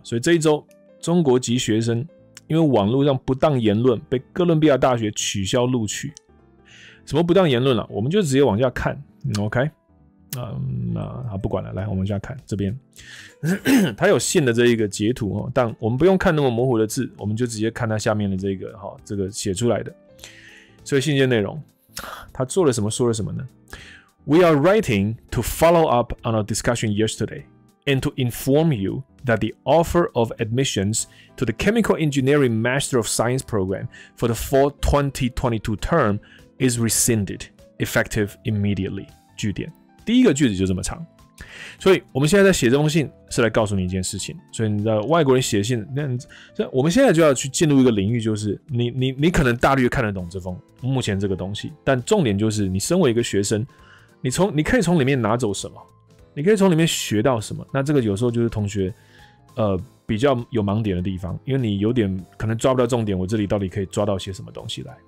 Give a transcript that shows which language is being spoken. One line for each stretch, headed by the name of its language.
Chinese: 所以这一周，中国籍学生因为网络上不当言论，被哥伦比亚大学取消录取。什么不当言论了、啊？我们就直接往下看 ，OK。那不管了，来，我们往下看这边他有信的这一个截图，但我们不用看那么模糊的字，我们就直接看他下面的这个哈，这个写出来的。所以信件内容，他做了什么，说了什么呢
English: ？We are writing to follow up on our discussion yesterday and to inform you that the offer of admissions to the Chemical Engineering Master of Science program for the fall 2022 term is rescinded, effective immediately.
Chinese: 句点。第一个句子就这么长，所以我们现在在写这封信是来告诉你一件事情。所以你知道外国人写信，那我们现在就要去进入一个领域，就是你可能大略看得懂这封目前这个东西，但重点就是你身为一个学生，你可以从里面拿走什么，你可以从里面学到什么。那这个有时候就是同学比较有盲点的地方，因为你有点可能抓不到重点，我这里到底可以抓到些什么东西来。